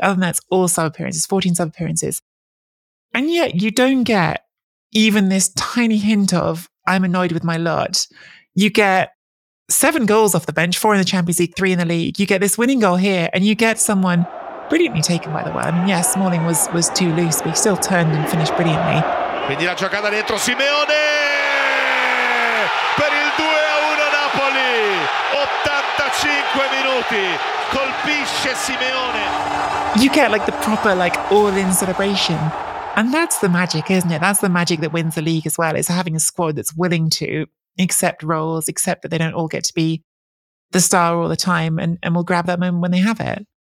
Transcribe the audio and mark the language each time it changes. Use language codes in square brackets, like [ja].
[en] Other than that, it's all sub-appearances, 14 sub-appearances. And yet you don't get even this tiny hint of, I'm annoyed with my lot. You get 7 goals off the bench, 4 in the Champions League, 3 in the league. You get this winning goal here and you get someone brilliantly taken by the one. Yes, yeah, Smalling was too loose, but he still turned and finished brilliantly. [it] Quindi la giocata dentro Simeone per il 2-1 Napoli. 85 minuti. Colpisce Simeone. [en] You get like the proper like all-in celebration. And that's the magic, isn't it? That's the magic that wins the league as well, is having a squad that's willing to accept roles, accept that they don't all get to be the star all the time, and will grab that moment when they have it.